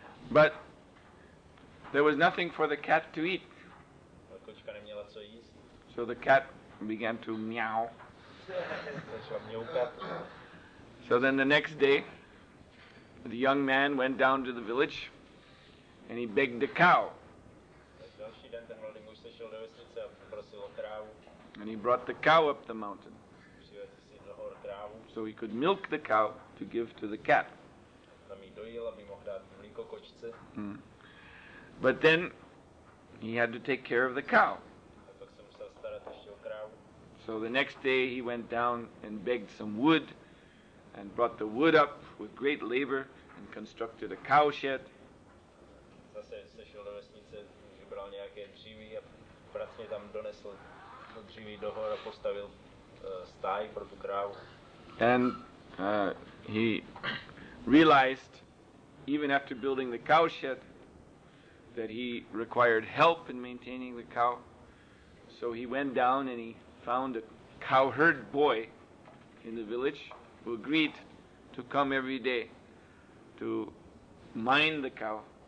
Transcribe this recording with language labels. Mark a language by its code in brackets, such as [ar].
[en] But there was nothing for the cat to eat. [cs] Kočka neměla co jíst. [en] So the cat began to meow. [cs] Začala mňoukat. [en] So then the next day, the young man went down to the village and he begged the cow. [cs] Další den ten mladý muž sešel do vesnice a poprosil o krávu. [en] And he brought the cow up the mountain. [cs] Přivezl si nahor krávu. [en] So he could milk the cow to give to the cat. [cs] Tam jí dojil, aby mohl dát mlíko kočce. [en] But then he had to take care of the cow. [cs] A pak se musel starat ještě o krávu. [en] So the next day he went down and begged some wood and brought the wood up with great labor and constructed a cow shed. [cs] Zase se šel do vesnice, vybral nějaké dříví a pracně tam donesl to dříví do hor a postavil stáj pro tu krávu. [en] And he realized, even after building the cow shed, that he required help in maintaining the cow. So he went down and he found a cowherd boy in the village who agreed to come every day to mind the cow.